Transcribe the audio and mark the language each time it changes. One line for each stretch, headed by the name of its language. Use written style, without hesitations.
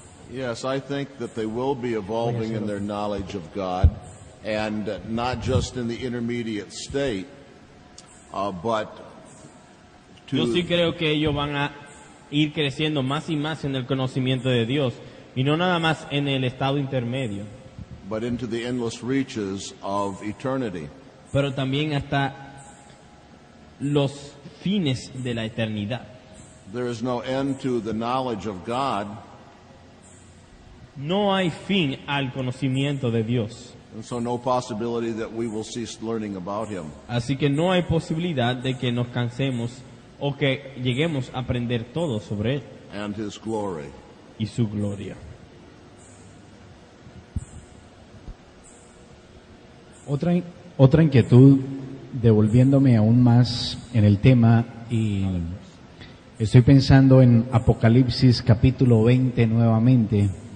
English: Yes, I think that they will be evolving in their knowledge of God. And not just in the intermediate state, but to...
Spanish: Yo sí creo que ellos van a ir creciendo más y más en el conocimiento de Dios, y no nada más en el estado intermedio.
English: But into the endless reaches of eternity.
Spanish: Pero también hasta los fines de la eternidad.
English: There is no end to the knowledge of God.
Spanish: No hay fin al conocimiento de Dios.
English: And so no possibility that we will cease learning about him.
Spanish: Así que no hay posibilidad de que nos cansemos o que lleguemos a aprender todo sobre él.
English: And his glory.
Spanish: Y su gloria. Otra inquietud, devolviéndome aún más en el tema, y estoy pensando en Apocalipsis capítulo 20 nuevamente.